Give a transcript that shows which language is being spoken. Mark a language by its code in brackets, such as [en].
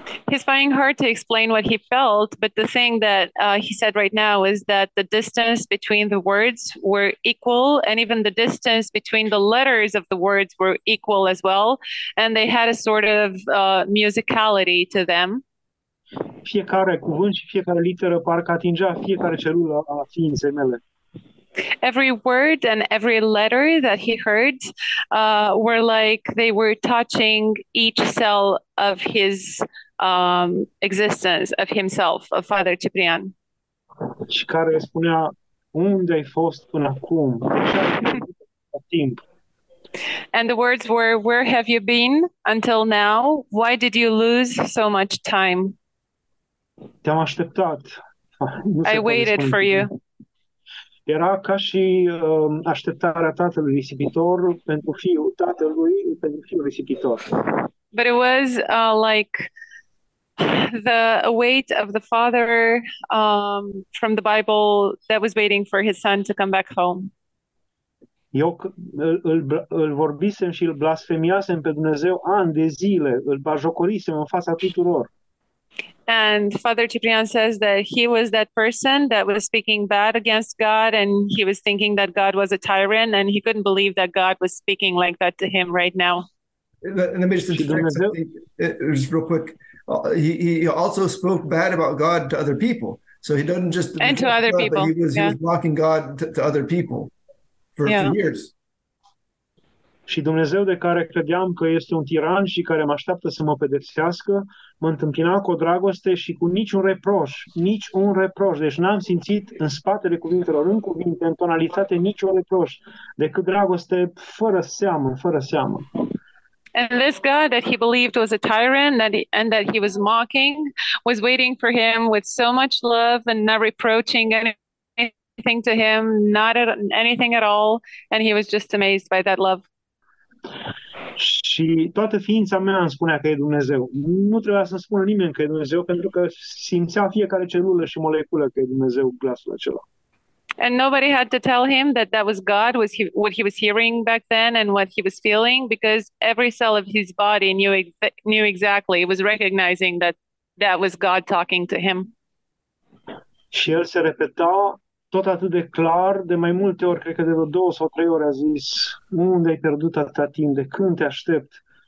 [en] He's finding hard to explain what he felt, but the thing that he said right now is that the distance between the words were equal, and even the distance between the letters of the words were equal as well, and they had a sort of musicality to them. [ro] Fiecare cuvânt și fiecare literă parcă atingea fiecare celulă a ființei mele. [en] Every word and every letter that he heard were like they were touching each cell of his existence, of himself, of Father Ciprian. [ro] Și care spunea, unde ai fost până acum? Timp. [en] And the words were, where have you been until now? Why did you lose so much time? [ro] Te-am așteptat. [en] I waited for you. [ro] Era ca și așteptarea tatălui risipitor pentru fiul tatălui, pentru fiul risipitor. [en] But it was like the await of the father from the Bible that was waiting for his son to come back home. [ro] Eu îl vorbisem și îl blasfemiasem pe Dumnezeu ani de zile, îl bajocorisem în fața tuturor. [en] And Father Ciprian says that he was that person that was speaking bad against God, and he was thinking that God was a tyrant, and he couldn't believe that God was speaking like that to him right now. Let me just interject something real quick. He also spoke bad about God to other people. So he doesn't just... And to other God, people. He was mocking God to other people for years. [ro] Și Dumnezeu, de care credeam că este un tiran și care mă așteaptă să mă pedepsească, mă întâmpina cu o dragoste și cu niciun reproș, nici un reproș. Deci n-am simțit în spatele cuvintelor, în cuvinte, în tonalitate, niciun reproș, decât dragoste fără seamă, fără seamă. [en] And this God that he believed was a tyrant and that he was mocking was waiting for him with so much love and not reproaching anything to him, anything at all, and he was just amazed by that love. [ro] Și toată ființa mea îmi spunea că e Dumnezeu. Nu trebuia să-mi spună nimeni că e Dumnezeu, pentru că simțea fiecare celulă și moleculă că e Dumnezeu glasul acela. [en] And nobody had to tell him that that was God, what he was hearing back then and what he was feeling, because every cell of his body knew exactly, was recognizing that that was God talking to him. [ro] Și el se repeta tot atât de clar, de mai multe ori, cred că de vreo 2 sau 3 ore a zis, unde ai pierdut atâta timp, de când te aștept?